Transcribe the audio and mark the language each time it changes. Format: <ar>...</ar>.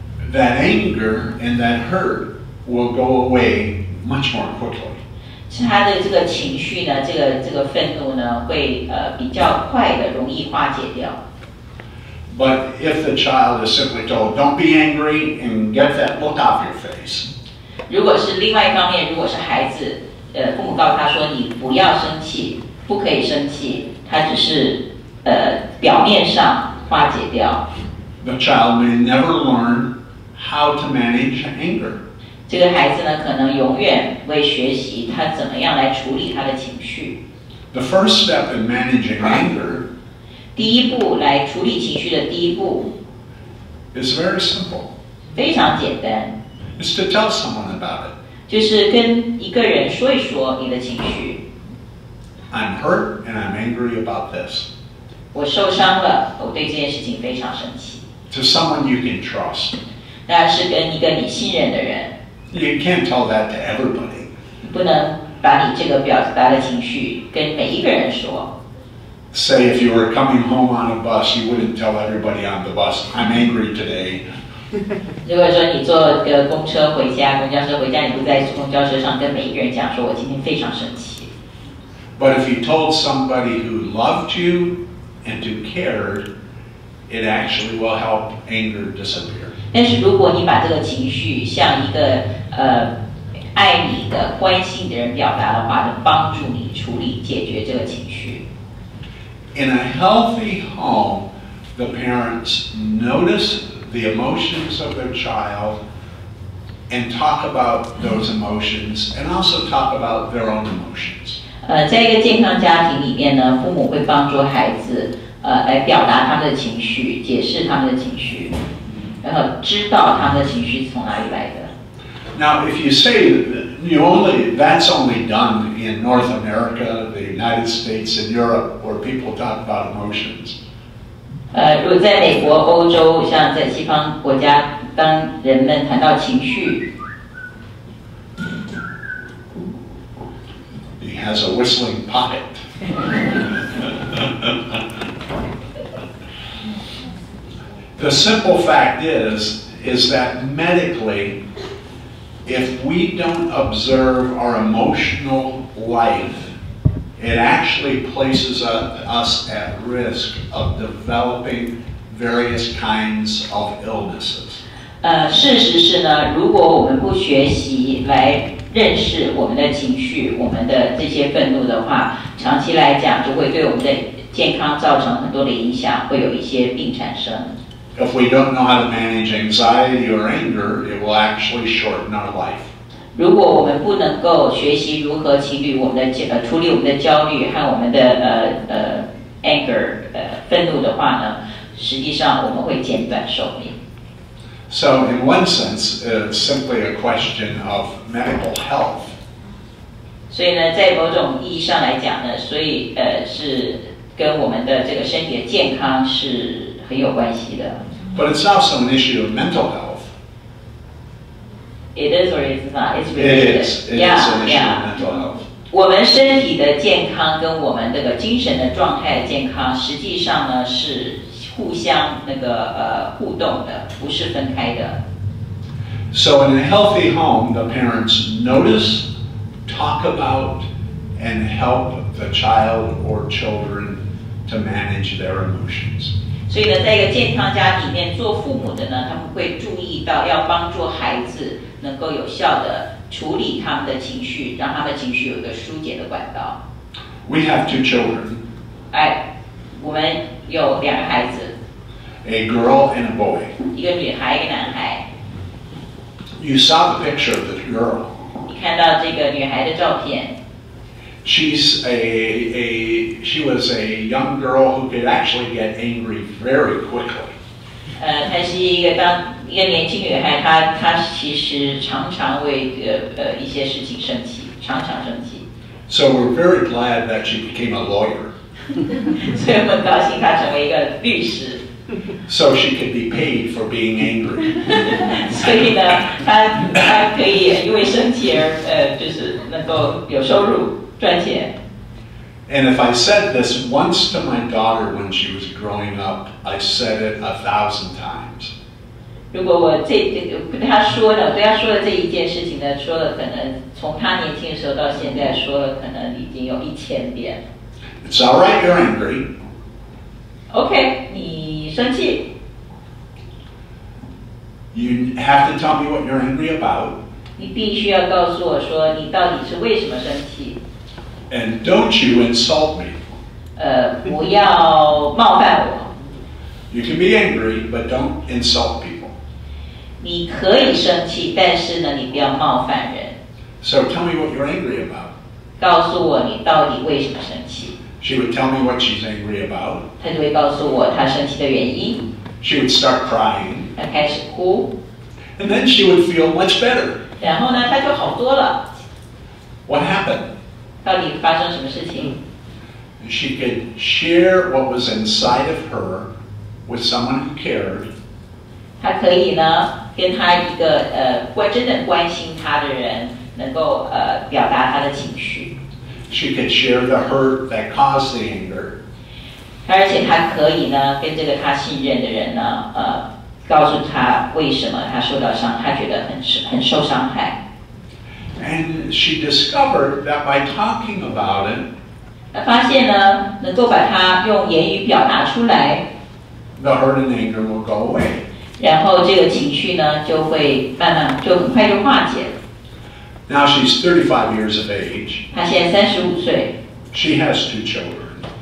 <en>That anger and that hurt will go away much more quickly.</en> <zh>是他的这个情绪呢，这个愤怒呢，会比较快的容易化解掉。</zh> <en>But if the child is simply told, "Don't be angry and get that look off your face."</en> <zh>如果是另外一方面，如果是孩子，父母告诉他说你不要生气，不可以生气，他只是表面上化解掉。</zh> <en>The child may never learn how to manage anger.</en> <zh>这个孩子呢，可能永远会学习他怎么样来处理他的情绪。</zh> <en>The first step in managing anger.</en> <zh>第一步来处理情绪的第一步。</zh> <en>Is very simple.</en> <zh>非常简单。</zh> <en>Is to tell someone about it.</en> <zh>就是跟一个人说一说你的情绪。</zh> <en>I'm hurt and I'm angry about this.</en> <zh>我受伤了，我对这件事情非常生气。</zh> <en>To someone you can trust.</en> <zh>那是跟一个你信任的人。</zh> <en>You can't tell that to everybody.</en> <zh>不能把你这个表达的情绪跟每一个人说。</zh> <en>Say if you were coming home on a bus, you wouldn't tell everybody on the bus, "I'm angry today."</en> <zh>如果说你坐个公车回家，公交车回家，你不在公交车上跟每一个人讲说，我今天非常生气。</zh> <en>But if you told somebody who loved you and who cared, it actually will help anger disappear.</en> <zh>但是如果你把这个情绪向一个爱你的、关心你的人表达的话，能帮助你处理、解决这个情绪。</zh> <en>In a healthy home, the parents notice the emotions of their child and talk about those emotions, and also talk about their own emotions.</en> <zh>在一个健康家庭里面呢，父母会帮助孩子来表达他们的情绪，解释他们的情绪。然后知道他的情绪从哪里来的。</zh> <en>Now, if you say that's only done in North America, the United States, and Europe, where people talk about emotions.</en> <zh>如果在美国、欧洲，像在西方国家，当人们谈到情绪，</zh> <en>He has a whistling pocket. The simple fact is that medically, if we don't observe our emotional life, it actually places us at risk of developing various kinds of illnesses.</en> <zh>事实是呢，如果我们不学习来认识我们的情绪，我们的这些愤怒的话，长期来讲就会对我们的健康造成很多的影响，会有一些病产生。</zh> <en>If we don't know how to manage anxiety or anger, it will actually shorten our life.</en> <zh>如果我们不能够学习如何情绪我们的处理我们的焦虑和我们的anger 愤怒的话呢，实际上我们会减短寿命。</zh> <en>So in one sense, it's simply a question of medical health.</en> <zh>所以呢，在某种意义上来讲呢，所以是跟我们的这个身体的健康是。很有关系的。</zh> <en>But it's also an issue of mental health. It is or it's not. It's really it is. It yeah, is an issue yeah. of mental health.</en> <zh>我们身体的健康跟我们这个精神的状态的健康，实际上呢是互相那个互动的，不是分开的。</zh> <en>So in a healthy home, the parents notice, talk about, and help the child or children to manage their emotions.</en> <zh>所以呢，在一个健康家里面，做父母的呢，他们会注意到要帮助孩子能够有效的处理他们的情绪，让他们情绪有一个疏解的管道。</zh> <en>We have two children.</en> <zh>哎，我们有两个孩子。</zh> <en>A girl and a boy.</en> <zh>一个女孩，一个男孩。</zh> <en>You saw the picture of the girl.</en> <zh>你看到这个女孩的照片。</zh> <en>She's she was a young girl who could actually get angry very quickly.</en> <zh>她是一个年轻女孩，她其实常常为一些事情生气，常常生气。</zh> <en>So we're very glad that she became a lawyer.</en> <zh>所以我们高兴她成为一个律师。</zh> <en>So she could be paid for being angry.</en> <zh>所以呢，她可以因为生气而就是能够有收入。赚钱。</zh> <en>And if I said this once to my daughter when she was growing up, I said it 1,000 times.</en> <zh>如果我跟她说了，对她说了这一件事情呢，说了可能从她年轻的时候到现在说了可能已经有1,000遍。</zh> <en>It's all right, you're angry.</en> <zh>Okay, 你生气。</zh> <en>You have to tell me what you're angry about.</en> <zh>你必须要告诉我说你到底是为什么生气。</zh> <en>And don't you insult me.</en> <zh>不要冒犯我。</zh> <en>You can be angry, but don't insult people.</en> <zh>你可以生气，但是呢，你不要冒犯人。</zh> <en>So tell me what you're angry about.</en> <zh>告诉我你到底为什么生气。</zh> <en>She would tell me what she's angry about.</en> <zh>她就会告诉我她生气的原因。</zh> <en>She would start crying.</en> <zh>她开始哭。</zh> <en>And then she would feel much better.</en> <zh>然后呢，她就好多了。</zh> <en>What happened?</en> <zh>到底发生什么事情？</zh> <en>She could share what was inside of her with someone who cared.</en> <zh>她可以呢，跟她一个真的关心她的人，能够表达她的情绪。</zh> <en>She could share the hurt that caused the anger.</en> <zh>而且她可以呢，跟这个她信任的人呢，告诉她为什么她受到伤，她觉得很受伤害。</zh> <en>And she discovered that by talking about it,</en> <zh>她发现呢，能够把它用言语表达出来</zh> <en>，the hurt and anger will go away.</en> <zh>然后这个情绪呢，就会慢慢就很快就化解了。</zh> <en>Now she's 35 years of age.</en> <zh>她现在35岁。</zh> <en>She has 2 children.</en>